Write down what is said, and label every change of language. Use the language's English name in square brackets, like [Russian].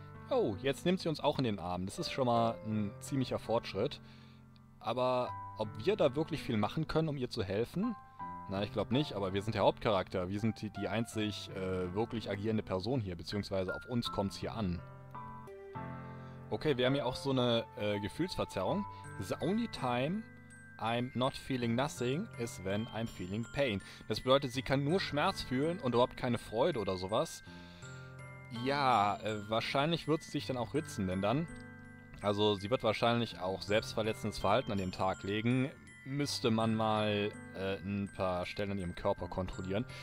[German] Oh, jetzt nimmt sie uns auch in den Arm. Das ist schon mal ein ziemlicher Fortschritt. Aber ob wir da wirklich viel machen können, um ihr zu helfen? Na, ich glaube nicht, aber wir sind der Hauptcharakter. Wir sind die einzig wirklich agierende Person hier, beziehungsweise auf uns kommt's hier an. Okay, wir haben ja auch so eine Gefühlsverzerrung. [English] The only time I'm not feeling nothing is when I'm feeling pain. [German] Das bedeutet, sie kann nur Schmerz fühlen und überhaupt keine Freude oder sowas. Ja, wahrscheinlich wird sie sich dann auch ritzen, denn dann... Also sie wird wahrscheinlich auch selbstverletzendes Verhalten an den Tag legen. Müsste man mal ein paar Stellen an ihrem Körper kontrollieren.